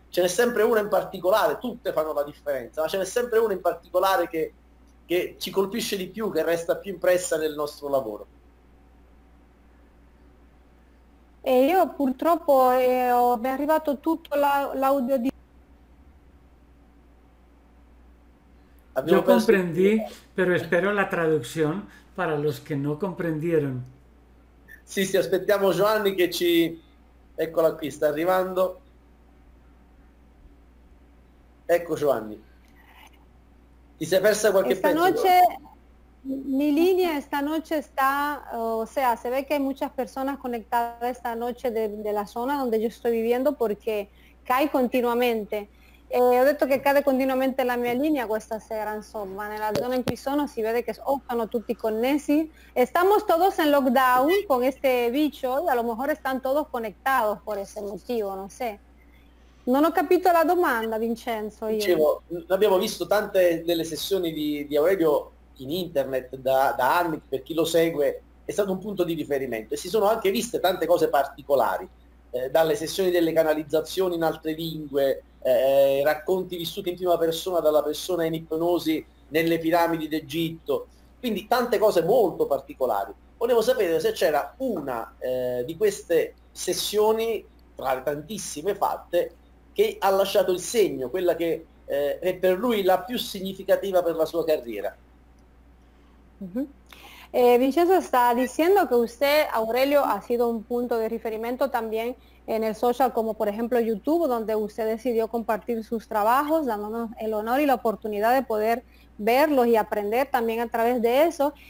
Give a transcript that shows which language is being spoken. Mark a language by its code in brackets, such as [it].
[it] Ce n'è sempre una in particolare, tutte fanno la differenza, ma ce n'è sempre una in particolare che ci colpisce di più, che resta più impressa nel nostro lavoro. E io purtroppo mi è arrivato tutto l'audio di... [es] Yo comprendí, pero espero la traducción para los que no comprendieron. Sí, sí, [it] aspettiamo Giovanni que ci... Eccola qui, está arrivando. Ecco Giovanni. Ti sei persa qualche pezzo? [es] Esta noche, mi línea esta noche está... O sea, se ve que hay muchas personas conectadas esta noche de la zona donde yo estoy viviendo porque cae continuamente. [it] Ho detto che cade continuamente la mia linea questa sera, insomma, nella zona in cui sono si vede che sono tutti connessi. [es] Estamos todos en lockdown con este bicho y a lo mejor están todos conectados por ese motivo, no sé. [it] Non ho capito la domanda, Vincenzo. Io. Dicevo, abbiamo visto tante delle sessioni di Aurelio in internet da anni, per chi lo segue, è stato un punto di riferimento e si sono anche viste tante cose particolari, dalle sessioni delle canalizzazioni in altre lingue, racconti vissuti in prima persona dalla persona in ipnosi nelle piramidi d'Egitto, quindi tante cose molto particolari. Volevo sapere se c'era una di queste sessioni, tra le tantissime fatte, che ha lasciato il segno, quella che è per lui la più significativa per la sua carriera. Mm-hmm. [es] Vincenzo está diciendo que usted, Aurelio, ha sido un punto de referimiento también en el social, como por ejemplo YouTube, donde usted decidió compartir sus trabajos, dándonos el honor y la oportunidad de poder verlos y aprender también a través de eso.